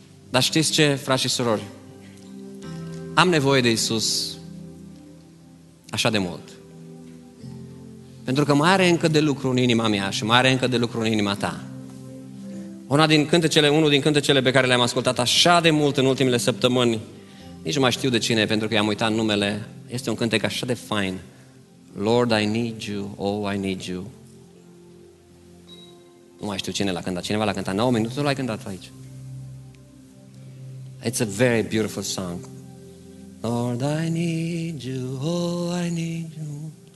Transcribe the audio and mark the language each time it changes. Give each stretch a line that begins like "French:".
Romanian: Dar știți ce, frați și surori? Am nevoie de Iisus așa de mult. Pentru că mai are încă de lucru în inima mea și mai are încă de lucru în inima ta. Unul din cântecele pe care le-am ascultat așa de mult în ultimele săptămâni, nici nu mai știu de cine, pentru că i-am uitat numele, este un cântec așa de fain.
English: Lord, I need you, oh, I need you.
Romanian: Nu mai știu cine l-a cântat, cineva l-a cântat. Naomi, nu tu l-ai cântat aici.
English: It's a very beautiful song. Lord, I need you, oh, I need you.